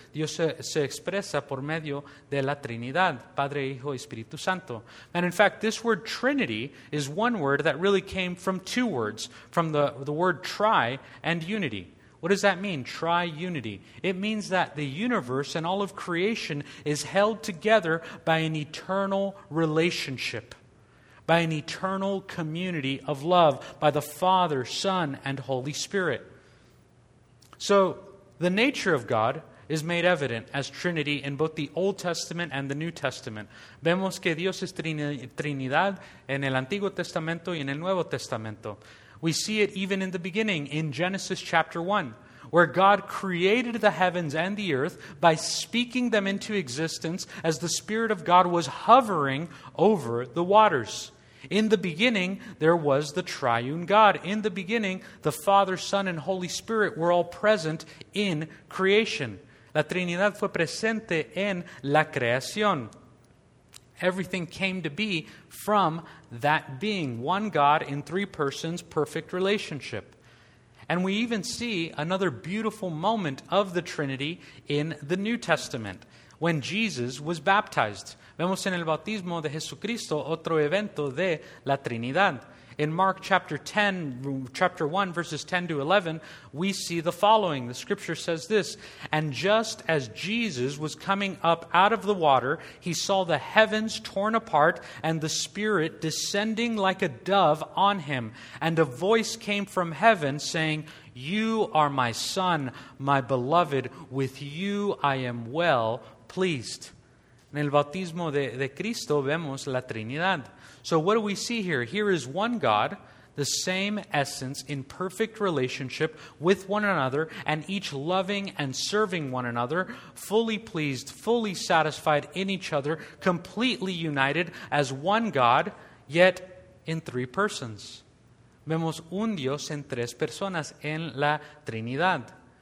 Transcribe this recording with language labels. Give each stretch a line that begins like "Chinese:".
Spanish: Dios se expresa por medio de la Trinidad, Padre, Hijo, Espíritu Santo.
English: And in fact, this word Trinity is one word that really came from two words, from the word tri and unity. What does that mean, tri-unity? It means that the universe and all of creation is held together by an eternal relationship. By an eternal community of love, by the Father, Son, and Holy Spirit. So The nature of God is made evident as Trinity in both the Old Testament and the New Testament.
Spanish: Vemos que Dios es Trinidad en el Antiguo Testamento y en el Nuevo Testamento.
English: We see it even in the beginning in Genesis chapter 1, where God created the heavens and the earth by speaking them into existence as the Spirit of God was hovering over the waters. In the beginning, there was the triune God. In the beginning, the Father, Son, and Holy Spirit were all present in creation.
Spanish: La Trinidad fue presente en la creación.
English: Everything came to be from that being, one God in three persons, perfect relationship. And we even see another beautiful moment of the Trinity in the New Testament, when Jesus was baptized.
Spanish: Vemos en el bautismo de Jesucristo otro evento de la Trinidad.
English: In Mark chapter 10, chapter 1, verses 10 to 11, we see the following. The scripture says this, "And just as Jesus was coming up out of the water, he saw the heavens torn apart and the Spirit descending like a dove on him. And a voice came from heaven saying, 'You are my Son, my beloved. With you I am well pleased.'"
Spanish: En el bautismo de Cristo vemos la Trinidad.
English: So what do we see here? Here is one God, the same essence in perfect relationship with one another, and each loving and serving one another, fully pleased, fully satisfied in each other, completely united as one God, yet in three persons.
Spanish: Vemos un Dios en tres personas en la Trinidad,